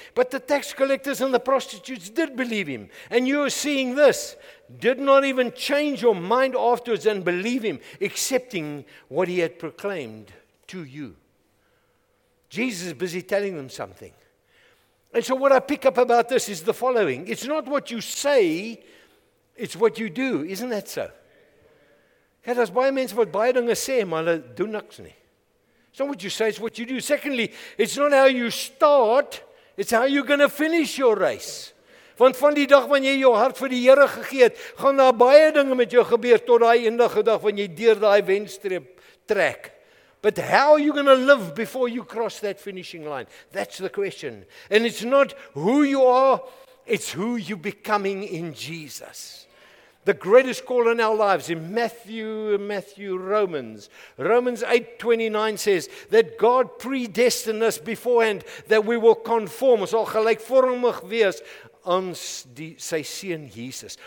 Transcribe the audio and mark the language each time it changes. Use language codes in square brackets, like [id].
[en] But the tax collectors and the prostitutes did believe him. And you are seeing this, did not even change your mind afterwards and believe him, accepting what he had proclaimed to you. Jesus is busy telling them something. And so what I pick up about this is the following. It's not what you say, it's what you do. Isn't that so? [af] Het is baie mense wat baie dinge sê, maar hulle doen niks nie. [en] It's not what you say, it's what you do. Secondly, it's not how you start, it's how you're going to finish your race. [af] Want van die dag wanneer jy jou hart vir die Here gegee het, gaan daar baie dinge met jou gebeur tot daai eendige dag wanneer jy deur daai wenstreep trek. [en] But how are you going to live before you cross that finishing line? That's the question. And it's not who you are, it's who you're becoming in Jesus. The greatest call in our lives in Romans 8:29 says that God predestined us beforehand that we will conform, [af] so gelykvormig wees aan sy seun Jesus.